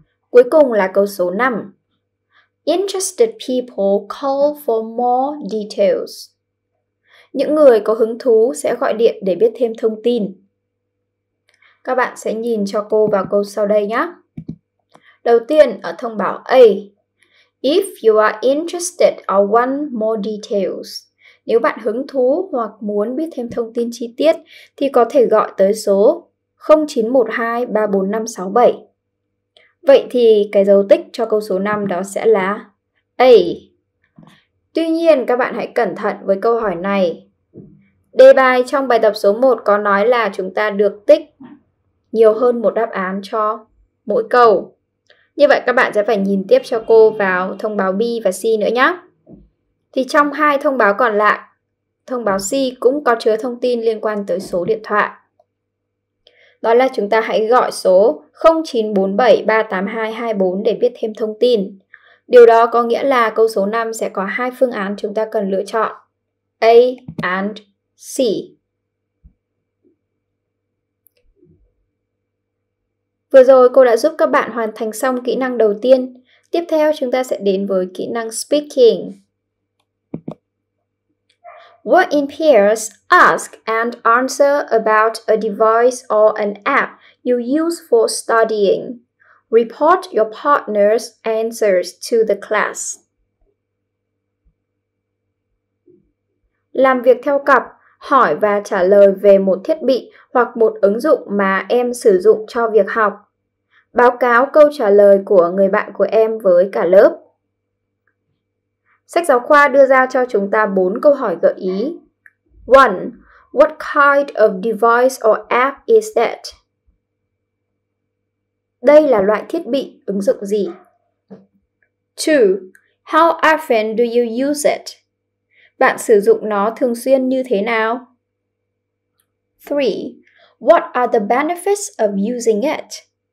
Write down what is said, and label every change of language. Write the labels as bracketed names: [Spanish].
[Vietnamese] Cuối cùng là câu số 5. [English] Interested people call for more details. [Vietnamese] Những người có hứng thú sẽ gọi điện để biết thêm thông tin. Các bạn sẽ nhìn cho cô vào câu sau đây nhé. Đầu tiên ở thông báo A. [English] If you are interested or want more details. [Vietnamese] Nếu bạn hứng thú hoặc muốn biết thêm thông tin chi tiết thì có thể gọi tới số 0912 34567. Vậy thì cái dấu tích cho câu số 5 đó sẽ là A. Tuy nhiên các bạn hãy cẩn thận với câu hỏi này. Đề bài trong bài tập số 1 có nói là chúng ta được tích nhiều hơn một đáp án cho mỗi câu. Như vậy các bạn sẽ phải nhìn tiếp cho cô vào thông báo B và C nữa nhé. Thì trong hai thông báo còn lại, thông báo C cũng có chứa thông tin liên quan tới số điện thoại. Đó là chúng ta hãy gọi số 0947382224 để biết thêm thông tin. Điều đó có nghĩa là câu số 5 sẽ có hai phương án chúng ta cần lựa chọn. [English] A and C. [Vietnamese] Vừa rồi cô đã giúp các bạn hoàn thành xong kỹ năng đầu tiên. Tiếp theo chúng ta sẽ đến với kỹ năng speaking. [English] Work in pairs, ask and answer about a device or an app you use for studying. Report your partner's answers to the class. [Vietnamese] Làm việc theo cặp, hỏi và trả lời về một thiết bị hoặc một ứng dụng mà em sử dụng cho việc học. Báo cáo câu trả lời của người bạn của em với cả lớp. Sách giáo khoa đưa ra cho chúng ta 4 câu hỏi gợi ý. 1. [English] What kind of device or app is that? [Vietnamese] Đây là loại thiết bị ứng dụng gì? [English] 2. How often do you use it? [Vietnamese] Bạn sử dụng nó thường xuyên như thế nào? [English] 3. What are the benefits of using it?